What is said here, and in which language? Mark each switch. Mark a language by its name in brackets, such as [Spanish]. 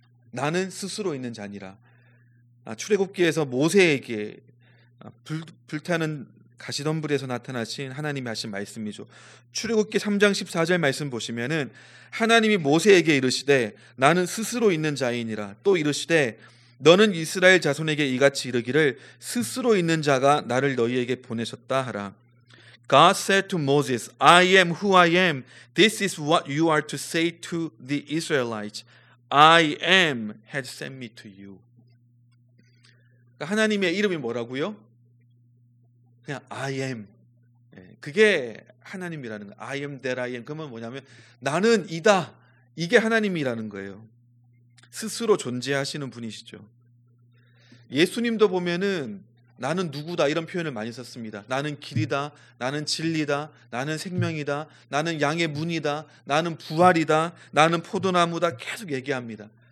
[Korean] 나는 스스로 있는 자니라. 출애굽기에서 모세에게 불타는 가시덤불에서 나타나신 하나님이 하신 말씀이죠. 출애굽기 3장 14절 말씀 보시면은 하나님이 모세에게 이르시되 나는 스스로 있는 자이니라. 또 이르시되 너는 이스라엘 자손에게 이같이 이르기를 스스로 있는 자가 나를 너희에게 보내셨다 하라. [English] God said to Moses, I am who I am. This is what you are to say to the Israelites. I am has sent me to you. [Korean] 그러니까 하나님의 이름이 뭐라고요? 그냥 [English] I am. [Korean] 그게 하나님이라는 거예요. [English] I am that I am. [Korean] 그러면 뭐냐면 나는 이다. 이게 하나님이라는 거예요. 스스로 존재하시는 분이시죠. 예수님도 보면은 나는 누구다 이런 표현을 많이 썼습니다. 나는 길이다, 나는 진리다, 나는 생명이다, 나는 양의 문이다, 나는 부활이다, 나는 포도나무다 계속 얘기합니다.